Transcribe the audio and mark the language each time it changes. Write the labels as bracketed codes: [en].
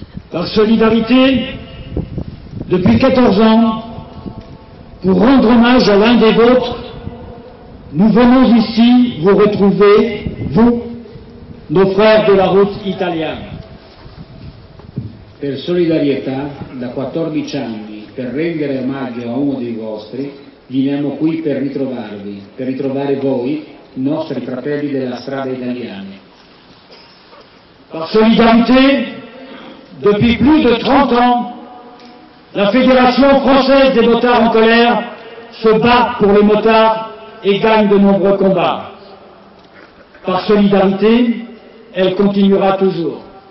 [fr] Par solidarité, depuis 14 ans, pour rendre hommage à l'un des vôtres, nous venons ici vous retrouver, vous, nos frères de la route italienne. [it] Per solidarietà, da 14 anni, per rendere omaggio a uno dei vostri, veniamo qui per ritrovarvi, per ritrovare voi, nostri fratelli della strada italiana. [fr] Par solidarité, depuis plus de 30 ans, la Fédération française des motards en colère se bat pour les motards et gagne de nombreux combats. Par solidarité, elle continuera toujours.